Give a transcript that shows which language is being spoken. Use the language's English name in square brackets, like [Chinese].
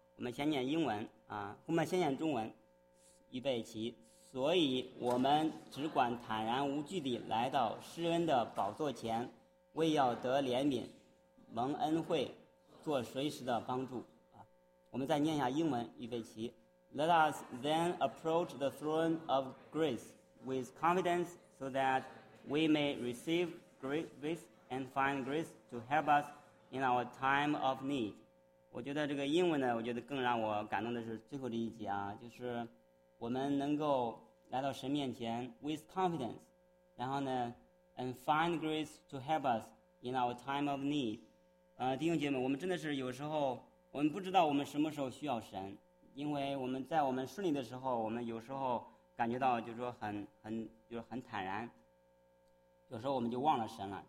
[Chinese] 我们先念英文啊，后面先念中文，预备起。所以，我们只管坦然无惧地来到施恩的宝座前，为要得怜悯、蒙恩惠、做随时的帮助。啊，我们再念一下英文，预备起。 [English] Let us then approach the throne of grace with confidence, so that we may receive grace and find grace to help us in our time of need。 [Chinese] 我觉得这个英文呢，我觉得更让我感动的是最后这一节啊，就是我们能够来到神面前 with confidence， 然后呢 ， [English] and find grace to help us in our time of need。 [Chinese] 弟兄姐妹，我们真的是有时候我们不知道我们什么时候需要神，因为我们在我们顺利的时候，我们有时候感觉到就是说很坦然，有时候我们就忘了神了。